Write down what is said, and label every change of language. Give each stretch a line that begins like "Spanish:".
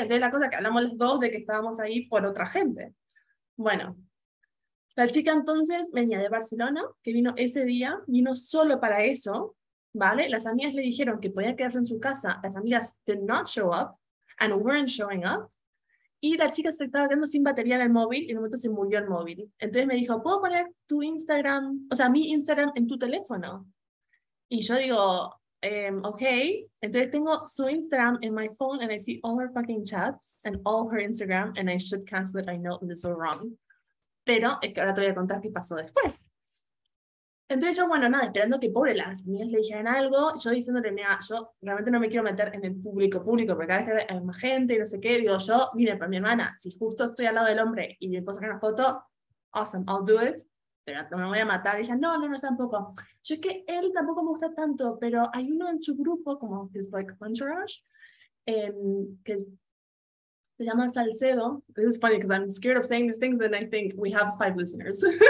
Spanish: Entonces la cosa que hablamos los dos de que estábamos ahí por otra gente. Bueno, la chica entonces venía de Barcelona, que vino ese día, vino solo para eso, ¿vale? Las amigas le dijeron que podía quedarse en su casa, las amigas
English: did not show up and weren't showing up.
Spanish: Y la chica se estaba quedando sin batería en el móvil y en un momento se murió el móvil. Entonces me dijo, ¿puedo poner tu Instagram, o sea, mi Instagram en tu teléfono? Y yo digo, ok. Entonces tengo su Instagram en mi
English: phone and I see all her fucking chats and all her Instagram and I should cancel it, I know this is wrong.
Spanish: Pero es que ahora te voy a contar qué pasó después. Entonces yo, bueno, nada, esperando que pobre las mías le dijeran algo, yo diciéndole, mira, yo realmente no me quiero meter en el público público, porque cada vez que hay más gente y no sé qué, digo, yo, mire, para mi hermana, si justo estoy al lado del hombre y le puedo sacar una foto,
English: awesome, I'll do it,
Spanish: pero no me voy a matar. Y ella, no, no, no, tampoco. Yo es que él tampoco me gusta tanto, pero hay uno en su grupo, como es like entourage, que es, se llama Salcedo.
English: This is funny because I'm scared of saying these things and I think we have five listeners.